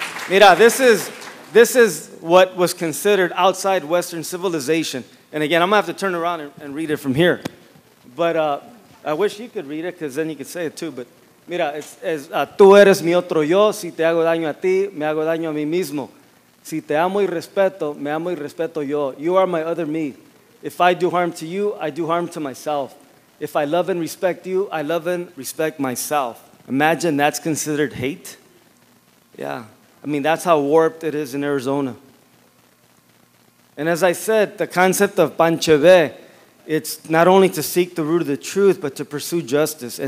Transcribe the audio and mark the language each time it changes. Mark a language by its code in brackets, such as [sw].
[es] Mira, [en] this is what was considered outside Western civilization. And again, I'm going to have to turn around and read it from here. But I wish you could read it, because then you could say it too. But [es] mira, [en] it's [es] tú eres mi otro yo. Si te hago daño a ti, me hago daño a mí mismo. Si te amo y respeto, me amo y respeto yo. [en] You are my other me. If I do harm to you, I do harm to myself. If I love and respect you, I love and respect myself. Imagine that's considered hate. Yeah. I mean, that's how warped it is in Arizona. And as I said, the concept of Pancheve, it's not only to seek the root of the truth, but to pursue justice.